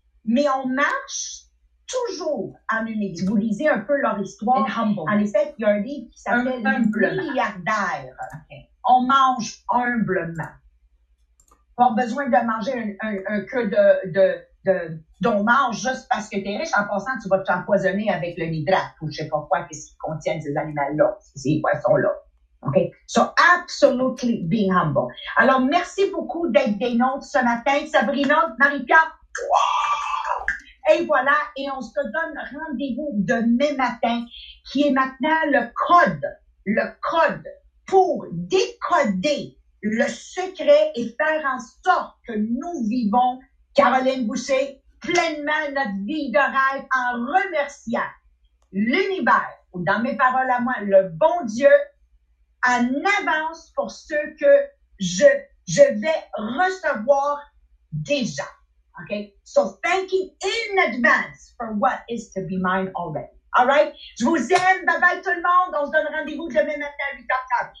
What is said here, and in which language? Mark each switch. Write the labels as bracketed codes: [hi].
[fr] Mais on marche toujours en humilité. Si vous lisez un peu leur histoire, en effet, il y a un livre qui s'appelle Le milliardaire. Okay. On mange humblement. Pas besoin de manger un queue de d'on mange juste parce que t'es riche. En passant, tu vas t'empoisonner avec le nitrate ou je sais pas quoi, qu'est-ce qu'ils contiennent ces animaux-là, ces poissons-là. [en] OK? So, absolutely being humble. [fr] Alors, merci beaucoup d'être des nôtres ce matin. Sabrina, Marika, wow! Et voilà, et on se donne rendez-vous demain matin, qui est maintenant le code pour décoder le secret et faire en sorte que nous vivons, Caroline Boucher, pleinement notre vie de rêve en remerciant l'univers, ou dans mes paroles à moi, le bon Dieu, en avance pour ce que je vais recevoir déjà. [en] Okay? So, thanking in advance for what is to be mine already. All right? [fr] Je vous aime. Bye-bye tout le monde. On se donne rendez-vous demain matin à 8h30.